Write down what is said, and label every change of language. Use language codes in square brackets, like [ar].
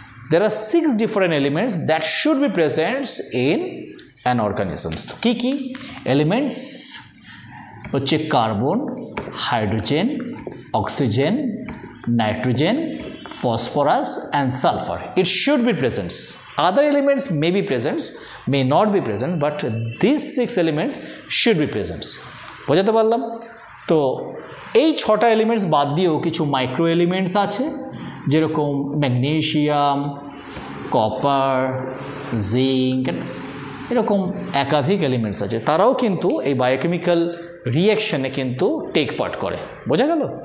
[en] There are six different elements that should be presents in an organisms. [bn] Key key elements? হচ্ছে carbon, hydrogen, oxygen, nitrogen, phosphorus and sulphur. [en] It should be presents. Other elements may be present, may not be present, but these six elements should be present. [bn] বোঝাতে পারলাম? তো এই ছটা elements বাদ দিয়েও কিছু micro elements আছে, যেরকম ম্যাগনেশিয়াম, কপার, জিঙ্ক, এরকম একাধিক এলিমেন্টস আছে, তারাও কিন্তু এই বায়োকেমিক্যাল রিয়াকশানে কিন্তু টেক পার্ট করে। বোঝা গেল?